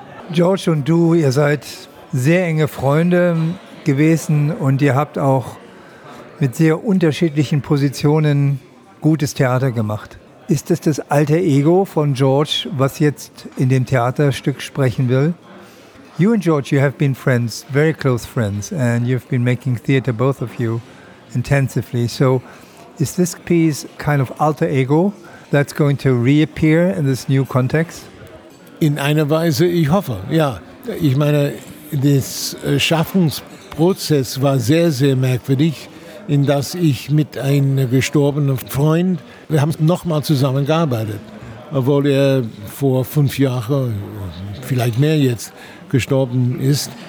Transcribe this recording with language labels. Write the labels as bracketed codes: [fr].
[de] George und du, ihr seid sehr enge Freunde gewesen und ihr habt auch mit sehr unterschiedlichen Positionen gutes Theater gemacht. Ist das das alter Ego von George, was jetzt in dem Theaterstück sprechen will? [en] You and George, you have been friends, very close friends, and you've been making theater, both of you, intensively. So is this piece kind of alter ego that's going to reappear in this new context? [de] In einer Weise, ich hoffe, ja. Ich meine, das Schaffungsprozess war sehr, sehr merkwürdig, in das ich mit einem gestorbenen Freund, wir haben nochmal zusammengearbeitet, obwohl er vor 5 Jahren, vielleicht mehr jetzt, gestorben ist.